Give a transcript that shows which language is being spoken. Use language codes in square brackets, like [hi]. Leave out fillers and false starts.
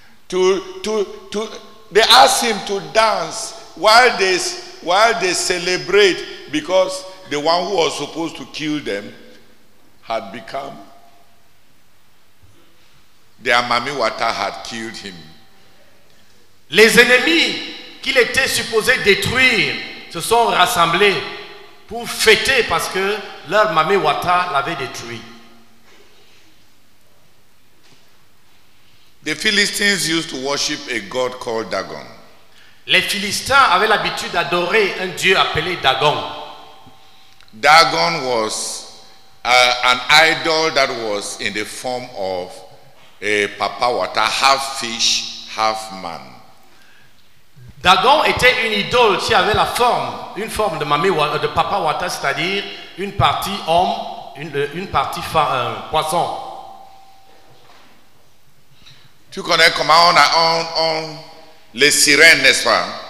[en] They asked him to dance while they celebrate, because the one who was supposed to kill them had become their Mami Wata, had killed him. [fr] Les ennemis qu'il était supposé détruire se sont rassemblés pour fêter parce que leur Mami Wata l'avait détruit. [en] The Philistines used to worship a god called Dagon. [fr] Les Philistins avaient l'habitude d'adorer un dieu appelé Dagon. [en] Dagon was an idol that was in the form of a Papa Wata, half fish, half man. [fr] Dagon était une idole qui avait la forme, une forme de Mami Wata, de Papa Wata, c'est-à-dire une partie homme, une partie poisson. Tu connais comment on les sirènes, n'est-ce pas?